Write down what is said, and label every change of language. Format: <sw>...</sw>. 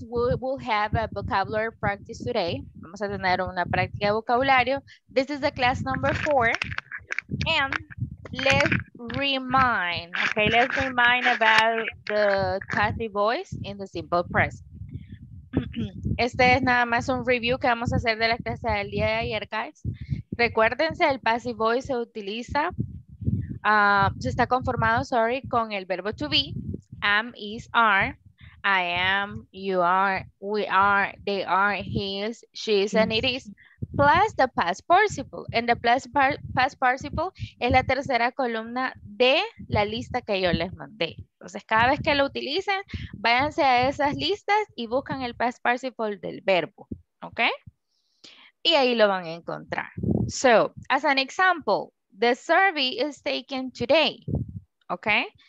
<en>We will have a vocabulary practice today.</en> <es>Vamos a tener una práctica de vocabulario.</es> <en>This is the class number 4. And let's remind, okay, let's remind about the passive voice in the simple present.</en> <es>Este es nada más un review que vamos a hacer de la clase del día de ayer, guys. Recuérdense, el</es> <en>passive voice</en> <es>se utiliza, se está conformado,</es> <en>sorry,</en> <es>con el verbo</es> <en>to be, am, is, are, I am, you are, we are, they are, he is, she is, and it is, plus the past participle. And the past participle</en> <es>es la tercera columna de la lista que yo les mandé. Entonces, cada vez que lo utilicen, váyanse a esas listas y buscan el past participle del verbo, ¿ok? Y ahí lo van a encontrar.</es> <en>So, as an example, the survey is taken today, okay?</en>